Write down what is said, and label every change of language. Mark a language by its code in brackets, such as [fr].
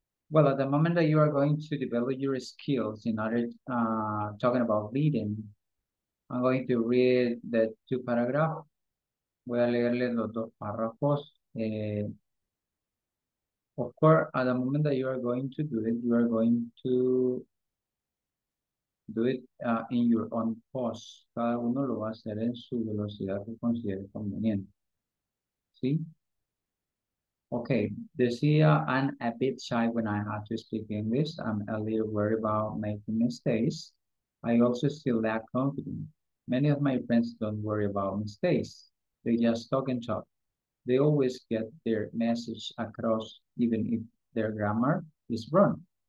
[en] Well, at the moment that you are going to develop your skills in order talking about reading, I'm going to read the two paragraphs. [es] Voy a leerle los dos párrafos. [en] Of course, at the moment that you are going to do it, you are going to do it in your own pause. [es] Cada uno lo va a hacer en su velocidad que considere conveniente. ¿Sí? [en] Okay, decía, I'm a bit shy when I have to speak English. I'm a little worried about making mistakes. I also still lack confidence. Many of my friends don't worry about mistakes. They just talk and talk. They always get their message across, even if their grammar is wrong.